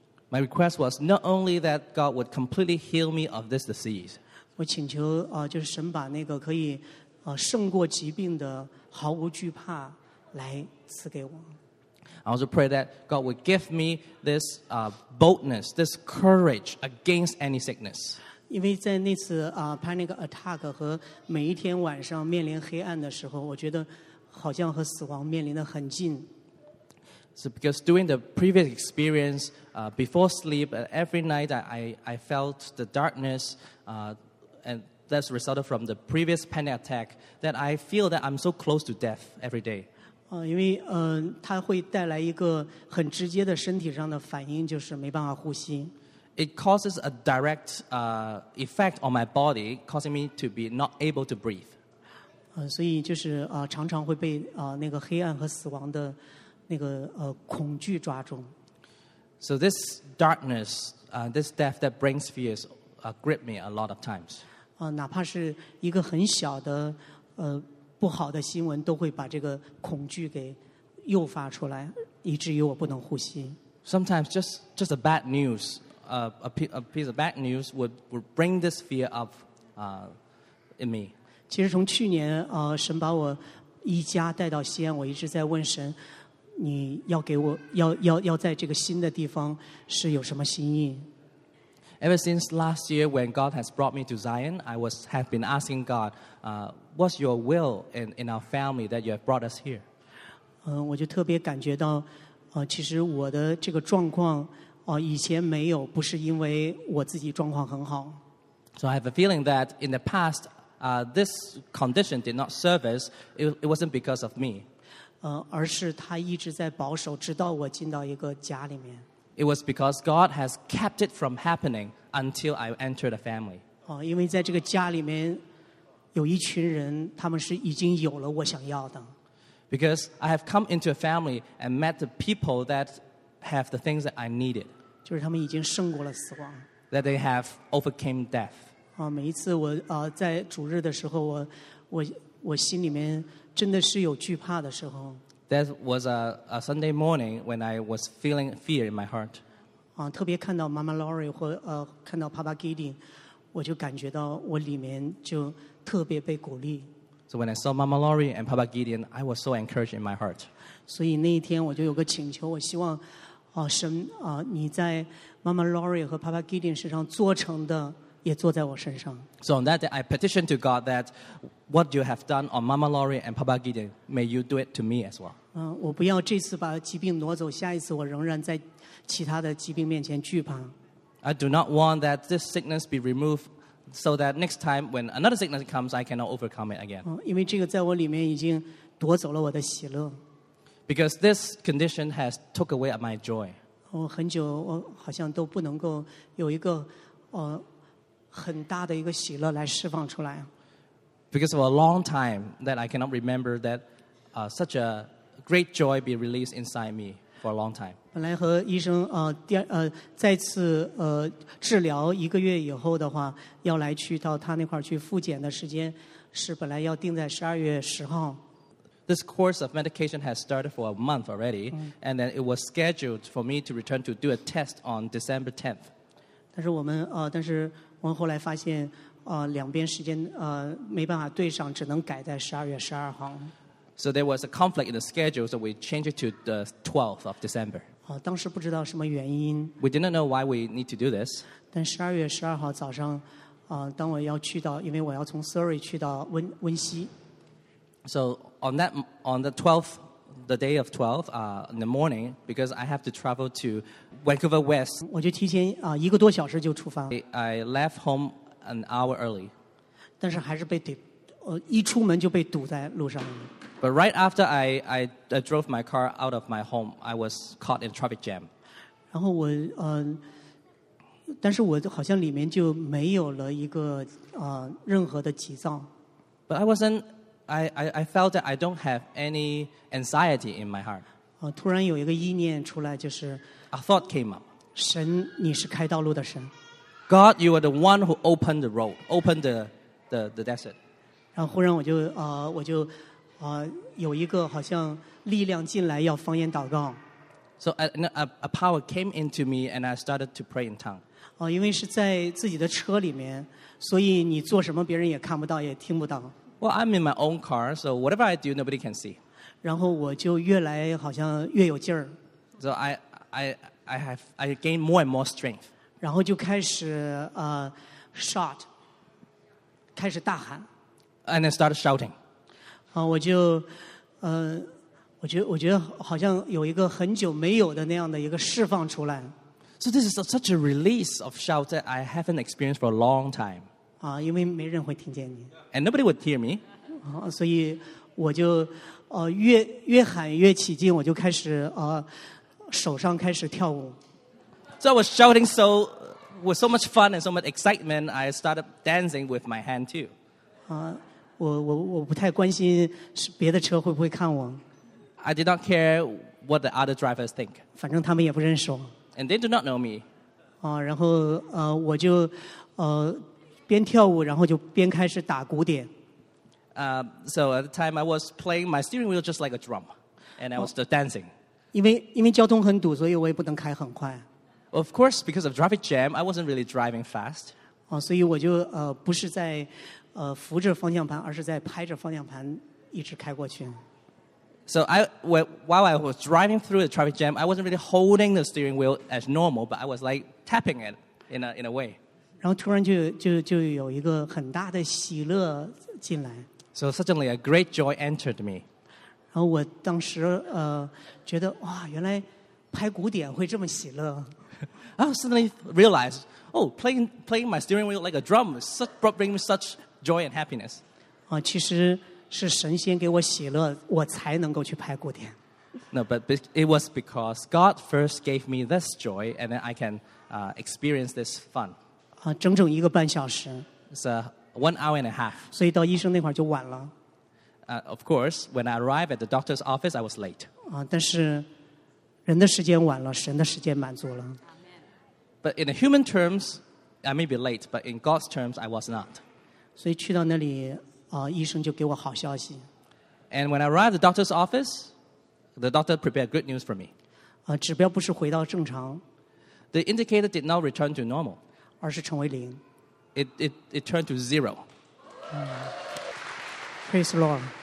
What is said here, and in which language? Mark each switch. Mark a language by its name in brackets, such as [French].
[English] My request was not only that God would completely heal me of this disease. [Chinese] 我请求就是神把那个可以胜过疾病的毫无惧怕来赐给我。 [English] I also pray that God would give me this boldness, this courage against any sickness. [Chinese] 因为在那次 [English] panic attack [Chinese] 和每一天晚上面临黑暗的时候，我觉得好像和死亡面临得很近。 [English] So because during the previous experience, before sleep, every night I felt the darkness, and that's resulted from the previous panic attack, that I feel that I'm so close to death every day. [Chinese] 因为它会带来一个很直接的身体上的反应，就是没办法呼吸。 [English] It causes a direct effect on my body, causing me to be not able to breathe. [Chinese] 所以就是常常会被那个黑暗和死亡的那个恐惧抓住。 [English] So this darkness, this death that brings fears, grip me a lot of times. [Chinese] 哪怕是一个很小的不好的新闻都会把这个恐惧给诱发出来，以至于我不能呼吸。 [English] Sometimes just a bad news, a piece of bad news would bring this fear up, in me. [Chinese] 其实从去年神把我一家带到西安，我一直在问神，你要给我要在这个新的地方是有什么心意。 [English] Ever since last year when God has brought me to Zion, I have been asking God, what's your will in our family that you have brought us here? [Chinese] 我就特别感觉到其实我的这个状况以前没有，不是因为我自己状况很好。 [English] So I have a feeling that in the past, this condition did not service, it wasn't because of me. [Chinese] 而是他一直在保守，直到我进到一个家里面。 [English] It was because God has kept it from happening until I entered a family. [Chinese] 因为在这个家里面有一群人，他们是已经有了我想要的。 [English] Because I have come into a family and met the people that have the things that I needed. [Chinese] 就是他们已经胜过了死亡。 [English] that they have overcome death. [Chinese] 啊，每一次我啊在主日的时候，我心里面真的是有惧怕的时候。 [English] That was a Sunday morning when I was feeling fear in my heart. [Chinese] 啊，特别看到 Mama Lori 或看到 Papa Gideon， 我就感觉到我里面就特别被鼓励。 [English] So when I saw Mama Lori and Papa Gideon, I was so encouraged in my heart. [Chinese] 所以那一天我就有个请求，我希望，啊神啊，你在 Mama Lori 和 Papa Gideon 身上做成的。 [English] So on that day, I petitioned to God that what you have done on Mama Lori and Papa Gideon, may you do it to me as well. [Chinese] 我不要这次把疾病挪走，下一次我仍然在其他的疾病面前惧怕。 [English] I do not want that this sickness be removed, so that next time when another sickness comes, I cannot overcome it again. [Chinese] 因为这个在我里面已经夺走了我的喜乐。 [English] Because this condition has took away my joy. [Chinese] 我很久，我好像都不能够有一个，很大的一个喜乐来释放出来。 [English] Because of a long time that I cannot remember that such a great joy be released inside me for a long time. [Chinese] 本来和医生再次治疗一个月以后的话，要来去到他那块去复检的时间是本来要定在十二月十号。 [English] This course of medication has started for a month already, and then it was scheduled for me to return to do a test on December 10th. [Chinese] 但是我们但是我后来发现，两边时间没办法对上，只能改在十二月十二号。 [English] So there was a conflict in the schedule, so we changed it to the 12th of December. [Chinese] 当时不知道什么原因。 [English] We didn't know why we need to do this. [Chinese] 但十二月十二号早上，当我要去到，因为我要从 Surrey 去到温西。 [English] So on that on the 12th, the day of 12th, in the morning, because I have to travel to. Vancouver West. [Chinese] 我就提前一个多小时就出发。 [English] I left home an hour early. [Chinese] 但是还是被一出门就被堵在路上。 [English] But right after I drove my car out of my home, I was caught in traffic jam. [Chinese] 然后我但是我好像里面就没有了一个任何的急躁。 [English] But I felt that I don't have any anxiety in my heart. [Chinese] 突然有一个意念出来，就是。 [English] A thought came up. [Chinese] 神，你是开道路的神。 [English] God, you are the one who opened the road, opened the desert. [Chinese] 然后忽然我就有一个好像力量进来要方言祷告。 [English] So a power came into me and I started to pray in tongue. [Chinese] 因为是在自己的车里面，所以你做什么别人也看不到，也听不到。 [English] Well, I'm in my own car, so whatever I do, nobody can see. [Chinese] 然后我就越来好像越有劲儿。 [English] So I gained more and more strength. [Chinese] 然后就开始shout, 开始大喊。 [English] And then started shouting. [Chinese] 我觉得好像有一个很久没有的那样的一个释放出来。 [English] So this is such a release of shout that I haven't experienced for a long time. [Chinese] 因为没人会听见你。 [English] And nobody would hear me. [Chinese] 所以我就越喊越起劲，我就开始手上开始跳舞。 [English] So I was shouting so with so much fun and so much excitement, I started dancing with my hand too. [Chinese] 我不太关心别的车会不会看我。 [English] I did not care what the other drivers think. [Chinese] 反正他们也不认识我。 [English] And they do not know me. [Chinese] 然后我就边跳舞，然后就边开始打鼓点。 [English] So at the time I was playing my steering wheel just like a drum, and I was still dancing. [Chinese] 因为交通很堵，所以我也不能开很快。 [English] Of course, because of traffic jam, I wasn't really driving fast. [Chinese] 所以我就不是在扶着方向盘，而是在拍着方向盘一直开过去。 [English] So while I was driving through the traffic jam, I wasn't really holding the steering wheel as normal, but I was like tapping it in a way. [Chinese] 然后突然就有一个很大的喜乐进来。 [English] So suddenly a great joy entered me. [Chinese] 然后我当时觉得哇，原来拍鼓点会这么喜乐。 [English] I suddenly realized, oh, playing my steering wheel like a drum brought me such joy and happiness. [Chinese] 其实是神先给我喜乐，我才能够去拍鼓点。 [English] No, but it was because God first gave me this joy, and then I can experience this fun. [Chinese] 整整一个半小时。 [English] It's one hour and a half. [Chinese] 所以到医生那块就晚了。 [English] Of course, when I arrived at the doctor's office, I was late. [Chinese] 但是人的时间晚了，神的时间满足了。 [English] But in the human terms, I may be late, but in God's terms, I was not. [Chinese] 所以去到那里，医生就给我好消息。 [English] And when I arrived at the doctor's office, the doctor prepared good news for me. [Chinese] 指标不是回到正常。 [English] The indicator did not return to normal. [Chinese] 而是成为零。 [English] It turned to zero. Praise the Lord.